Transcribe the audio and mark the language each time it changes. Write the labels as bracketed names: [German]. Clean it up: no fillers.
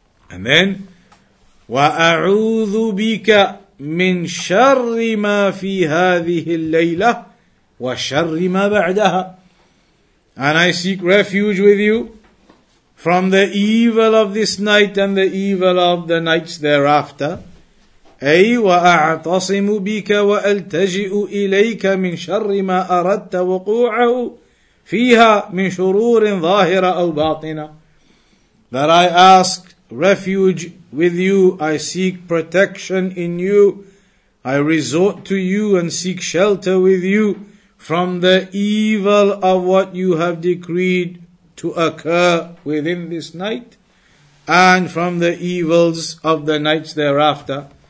[English] And then, [Arabic] وَأَعُوذُ بِكَ مِنْ شَرِّ مَا فِي هَذِهِ اللَّيْلَةِ وَشَرِّ مَا بَعْدَهَا. [English] And I seek refuge with you from the evil of this night and the evil of the nights thereafter. [Arabic] أي وأعتصم بك وألتجئ إليك من شر ما أردت وقوعه فيها من شرور ظاهرة أو باطنة. [English] That I ask refuge with you, I seek protection in you, I resort to you and seek shelter with you from the evil of what you have decreed to occur within this night and from the evils of the nights thereafter.